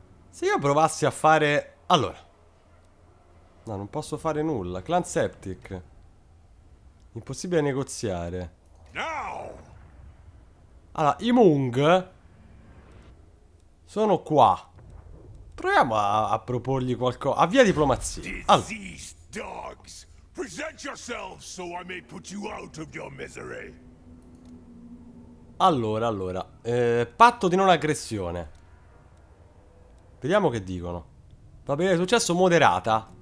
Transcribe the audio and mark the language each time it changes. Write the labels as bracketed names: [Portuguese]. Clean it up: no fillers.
[Italian] Se io provassi a fare... Allora. No, non posso fare nulla. Clan Septic. Impossibile negoziare. No! Allora, i Mung sono qua. Proviamo a proporgli qualcosa. A via diplomazia. [English] Diseased dogs, present yourselves so I may put you out of your misery. [Italian] Allora. Patto di non aggressione. Vediamo che dicono. Va bene, successo moderata.